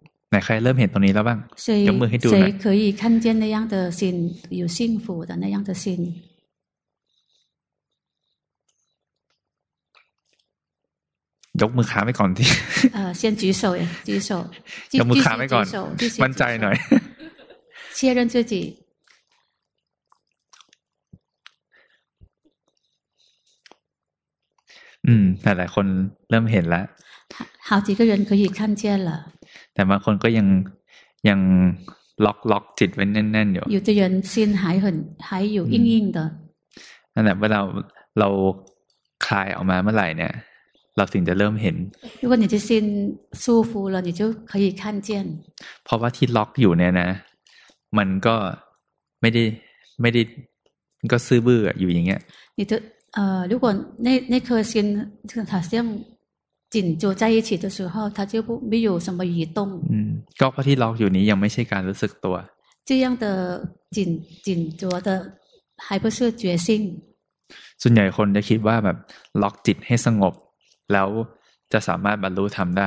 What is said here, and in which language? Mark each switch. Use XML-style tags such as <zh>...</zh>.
<th>ไหนใครเริ่มเห็นตรงนี้แล้วบ้างยกมือให้ดู หน่อย</th> <zh>谁可以看见那样的心有幸福的那样的心</zh> <th>ยกมือขาไว้ก่อนที่</th> <zh>先举手举手</zh> <th>ยกมือขาไว้ก่อนมั่นใจหน่อย</th> <zh>确认自己</zh> <th>หลายคนเริ่มเห็นแล้ว</th> <zh>好几个人可以看见了</zh> <th>แต่บางคนก็ยังล็อกจิตไว้แน่นๆอยู่</th> <zh>有的人心还有硬硬的</zh> <th>นั่นแหละเมื่อเราคลายออกมาเมื่อไหร่เนี่ยเราถึงจะเริ่มเห็น</th> <zh>如果你的心舒服了你就可以看见</zh> <th>เพราะว่าที่ล็อกอยู่เนี่ยนะมันก็ไม่ได้ก็ซื่อบื้ออยู่อย่างเงี้ย</th> <zh>你的如果那颗心就好像紧住在一起的时候它就不没有什么移动</zh> <th>ก็เพราะที่ล็อกอยู่นี้ยังไม่ใช่การรู้สึกตัว</th> <zh>这样的紧住的还不是觉性</zh> <th>ส่วนใหญ่คนจะคิดว่าแบบล็อกจิตให้สงบแล้วจะสามารถบรรลุธรรมได</th>